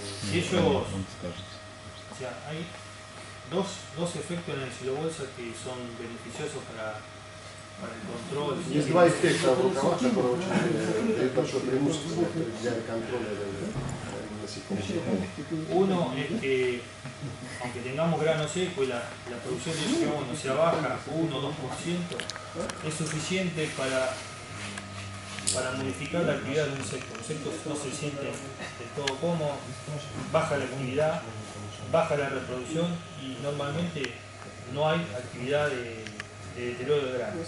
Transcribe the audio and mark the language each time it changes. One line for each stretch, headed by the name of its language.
Spanish: Еще hay dos efectos en el silo bolsa que son beneficiosos para el control.
Russian: Есть два эффекта в рукавах, которые очень дают большое преимущество для контроля насекомых.
Spanish: Aunque tengamos grano seco y la producción de CO2 se baja 1-2%, es suficiente para modificar la actividad de un insecto. El insecto no se siente de todo cómodo, baja la comunidad, baja la reproducción y normalmente no hay actividad de deterioro de grano.